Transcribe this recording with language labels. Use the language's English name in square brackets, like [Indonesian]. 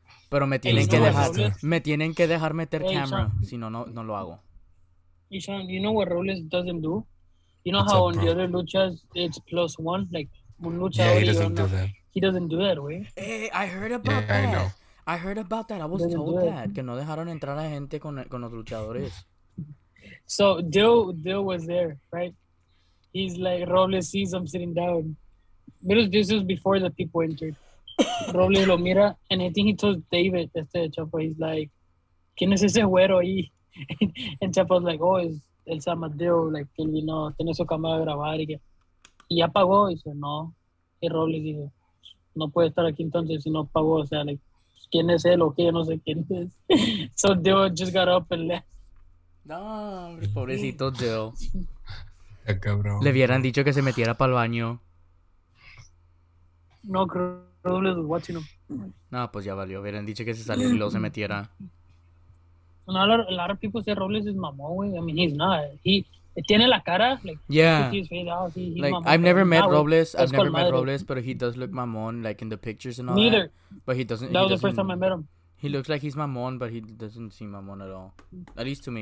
[Spanish] Pero me tienen que dejar, meter camera. Si no, no lo hago. [English] Ishaan, you know what Robles doesn't do? You know how on the other luchas, it's plus one? [Spanish] Like, un lucha [English] he doesn't do that. He doesn't do that, way. Hey, I heard about that. I know. I heard about that. I was told that. [Spanish] Que no dejaron entrar a gente con los luchadores. [English] So, Dill was there, right? He's like, Robles sees him sitting down. But this was before the people entered. [Spanish] Robles lo mira, [English] and I think he told David, este Chapo, he's like, [Spanish] ¿quién es ese güero ahí? [English] And Chapo's like, oh, [Spanish] es el Samadeo, like, él vino, tiene su cámara de grabar, y que, y ya pagó, y dice, no. Y Robles dice, no puede estar aquí entonces si no pagó, o sea, like, ¿quién es él o qué? No sé quién es. [English] So Dio just got up and left. [Spanish] No, hombre, pobrecito Dio. Ya, cabrón. Le hubieran dicho que se metiera para el baño. [English] No, creo. Watching him. [Spanish] No, pues ya valió. Hubieran dicho que se salió y luego se metiera. [English] No, a lot of people say Robles is mamón, güey. I mean, he's not. He [Spanish] tiene la cara. [English] Like, yeah. He's out. He, like, mamón, I've never met Robles. I've never met Robles, but he does look mamón, like, in the pictures and all. Neither. That. But he doesn't. That was the first time I met him. He looks like he's mamón, but he doesn't seem mamón at all. At least to me.